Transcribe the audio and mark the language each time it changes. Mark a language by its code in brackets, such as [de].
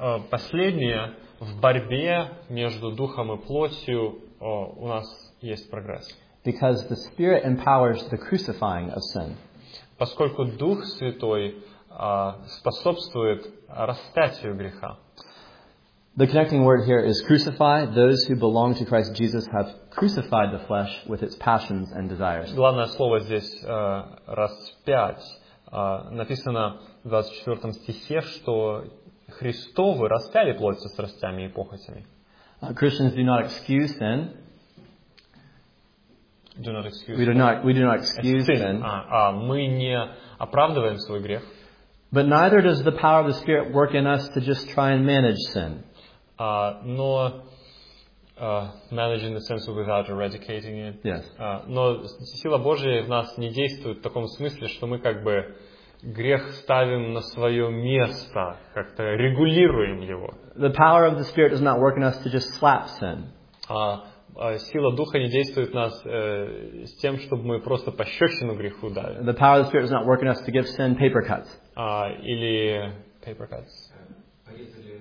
[ru] Последнее, в борьбе между духом и плотью у нас есть прогресс. [en] Because the spirit empowers the crucifying of sin. [ru] Поскольку Дух Святой способствует распятию греха. [en] The connecting word here is crucify. Those who belong to Christ Jesus have crucified the flesh with its passions and desires. [ru] Главное слово здесь распять. Написано в 24 стихе, что Христовы распяли плоть со страстями и похотями. [en] Christians do not excuse sin. Do not excuse. We do not excuse sin. [ru] Мы не оправдываем свой грех. [en] But neither does the power of the Spirit work in us to just try and manage sin. Managing the sense without eradicating it. Yes. [ru] Но сила Божия в нас не действует в таком смысле, что мы как бы грех ставим на свое место, как-то регулируем его. [en] The power of the Spirit does not work in us to just slap sin. [ru] Сила Духа не действует в нас с тем, чтобы мы просто пощечину греху дали. [en] The power of the Spirit does not work in us to give sin paper cuts. [ru] Или [en] paper cuts.